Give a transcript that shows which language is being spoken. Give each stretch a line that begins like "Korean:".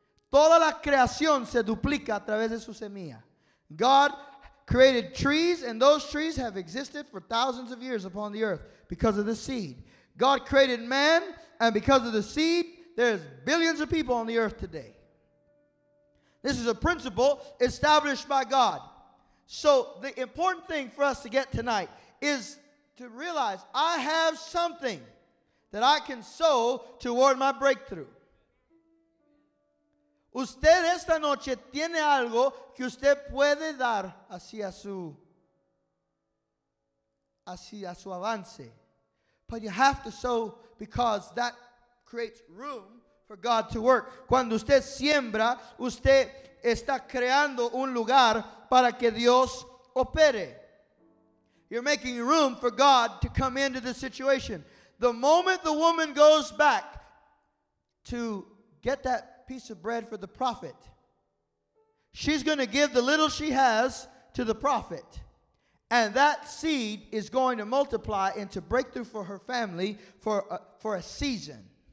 Spanish: Toda la creación se duplica a través de su semilla.
English: God created trees, and those trees have existed for thousands of years upon the earth because of the seed. God created man, and because of the seed, there's billions of people on the earth today. This is a principle established by God. So the important thing for us to get tonight is to realize I have something that I can sow toward my breakthrough.
Spanish: Usted esta noche tiene algo que usted puede dar hacia su avance.
English: But you have to sow because that creates room for God to work.
Spanish: Cuando usted siembra, usted está creando un lugar para que Dios opere.
English: You're making room for God to come into the situation. The moment the woman goes back to get that piece of bread for the prophet, she's going to give the little she has to the prophet. And that seed is going to multiply into breakthrough for her family for a season.